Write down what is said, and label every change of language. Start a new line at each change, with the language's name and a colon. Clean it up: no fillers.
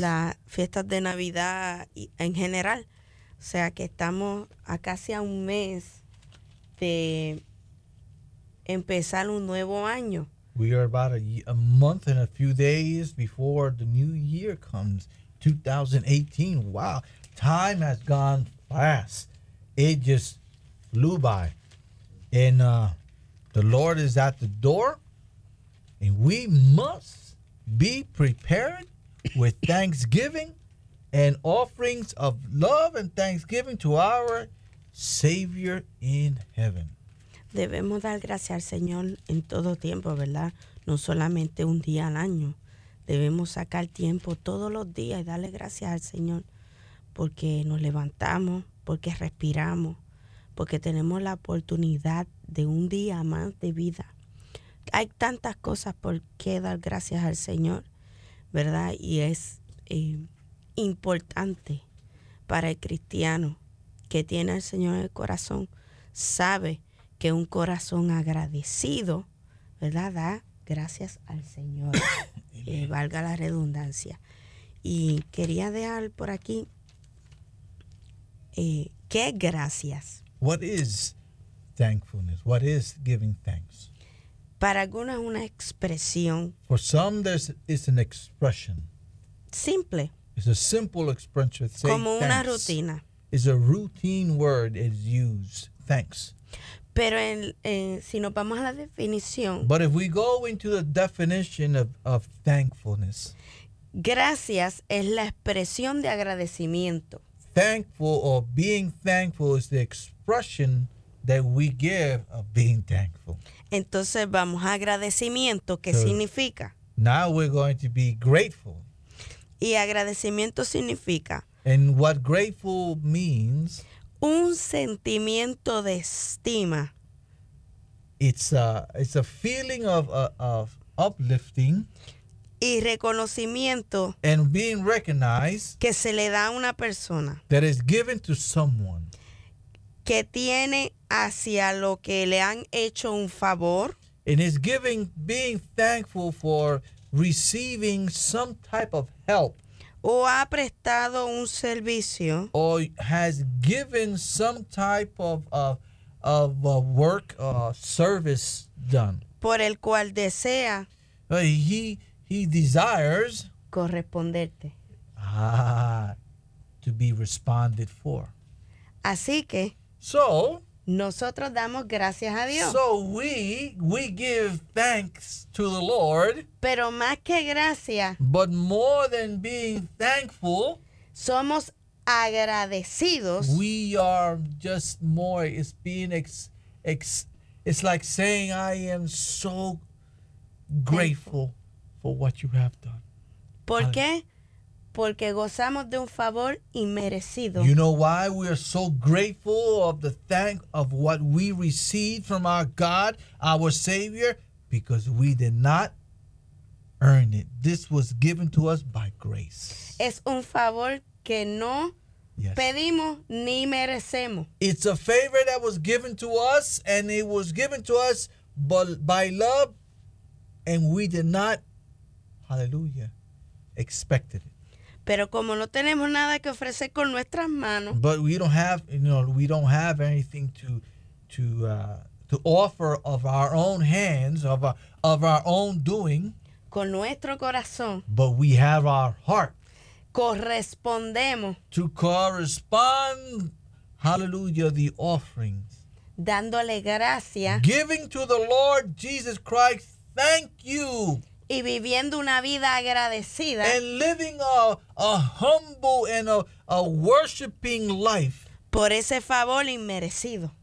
Spanish: Las fiestas de Navidad en general. O sea que estamos a casi a un mes de empezar un nuevo año.
English: We are about a month and a few days before the new year comes, 2018. Wow, time has gone fast. It just flew by. And the Lord is at the door, and we must be prepared with thanksgiving and offerings of love and thanksgiving to our Savior in heaven.
Spanish: Debemos dar gracias al Señor en todo tiempo, ¿verdad? No solamente un día al año. Debemos sacar tiempo todos los días y darle gracias al Señor porque nos levantamos, porque respiramos, porque tenemos la oportunidad de un día más de vida. Hay tantas cosas por qué dar gracias al Señor, ¿verdad? Y es importante para el cristiano que tiene al Señor en el corazón, sabe que un corazón agradecido, ¿verdad?, da gracias al Señor, valga la redundancia. Y quería dejar por aquí, ¿qué es gracias?
English: What is thankfulness? What is giving thanks?
Spanish: Para algunos es una expresión.
English: For some, there's it's an expression.
Spanish: Simple.
English: It's a simple expression. Say
Spanish: como una
English: thanks.
Spanish: Rutina.
English: It's a routine word is used, thanks.
Spanish: Pero si nos vamos a la definición.
English: But if we go into the definition of thankfulness.
Spanish: Gracias es la expresión de agradecimiento.
English: Thankful or being thankful is the expression that we give of being thankful.
Spanish: Entonces vamos a agradecimiento, ¿qué significa?
English: Now we're going to be grateful.
Spanish: Y agradecimiento significa.
English: And what grateful means.
Spanish: Un sentimiento de estima.
English: It's a feeling of uplifting.
Spanish: Y reconocimiento.
English: And being recognized.
Spanish: Que se le da a una persona.
English: That is given to someone.
Spanish: Que tiene hacia lo que le han hecho un favor.
English: And is giving, being thankful for receiving some type of help.
Spanish: O ha prestado un servicio.
English: Or has given some type of a work or service done.
Spanish: Por el cual desea.
English: He desires.
Spanish: Corresponderte.
English: To be responded for.
Spanish: Así que.
English: So.
Spanish: Nosotros damos gracias a Dios.
English: So we give thanks to the Lord.
Spanish: Pero más que gracias.
English: But more than being thankful.
Spanish: Somos agradecidos.
English: We are just more. It's being it's like saying I am so grateful for what you have done.
Spanish: ¿Por qué? Porque gozamos de un favor inmerecido.
English: You know why we are so grateful of the thank of what we received from our God, our Savior? Because we did not earn it. This was given to us by grace.
Spanish: Es un favor que no pedimos ni merecemos.
English: It's a favor that was given to us, and it was given to us by love, and we did not, hallelujah, expect it.
Spanish: Pero como no tenemos nada que ofrecer con nuestras manos.
English: But we don't have, we don't have anything to offer of our own hands, of our own doing.
Spanish: Con nuestro corazón.
English: But we have our heart.
Spanish: Correspondemos.
English: To correspond, hallelujah, the offerings.
Spanish: Dándole gracias.
English: Giving to the Lord Jesus Christ, thank you.
Spanish: Y viviendo una vida agradecida.
English: And living a humble and a worshiping life.
Spanish: Por ese favor inmerecido.